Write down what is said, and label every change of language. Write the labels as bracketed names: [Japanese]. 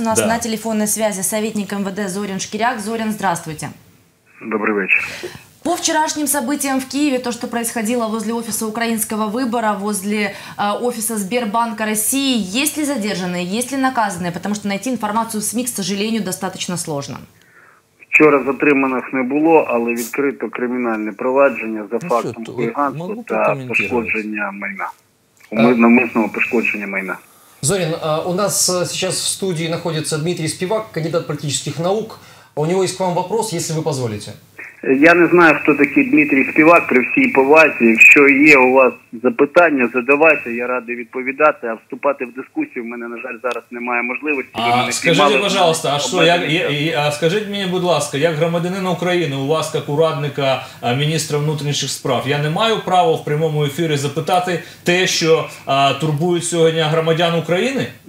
[Russian] У нас на телефонной связи советник МВД Зорин Шкиряк. Зорин, здравствуйте. Добрый вечер. По вчерашним событиям в Киеве, то, что происходило возле офиса украинского выбора, возле офиса Сбербанка России, есть ли задержанные, есть ли наказанные? Потому что найти информацию в СМИ, к сожалению, достаточно сложно. [Ukrainian] Вчора затриманих не було, але відкрито кримінальне провадження за фактом хуліганства та пошкодження майна, умисного пошкодження майна. [Russian] Зорин, у нас сейчас в студии находится Дмитрий Співак, кандидат политических наук. У него есть к вам вопрос, если вы позволите. [Ukrainian] Я не знаю, хто такий Дмитрій Співак, при всій повазі. Якщо є у вас запитання, задавайте, я радий відповідати, а вступати в дискусію в мене, на жаль, зараз немає можливості. А скажіть, будь ласка, скажіть мені, будь ласка, як громадянин України, у вас, як у радника міністра внутрішніх справ, я не маю права в прямому ефірі запитати те, що турбують сьогодні громадян України?